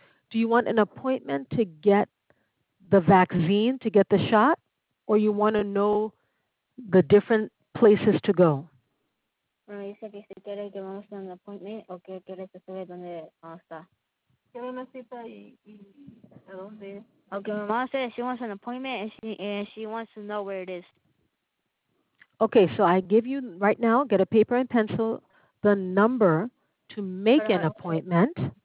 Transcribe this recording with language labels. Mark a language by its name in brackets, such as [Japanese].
[English] Do you want an appointment to get the vaccine, to get the shot, or you want to know the different places to go? [Spanish] Bueno, dice que si quiere que vamos a un appointment o que quiere que se vea dónde vamos a estar. Quiero una cita y a dónde. [English] Okay, my mom said she wants an appointment and she wants to know where it is. Okay, so I give you right now, get a paper and pencil, the number to make an appointment.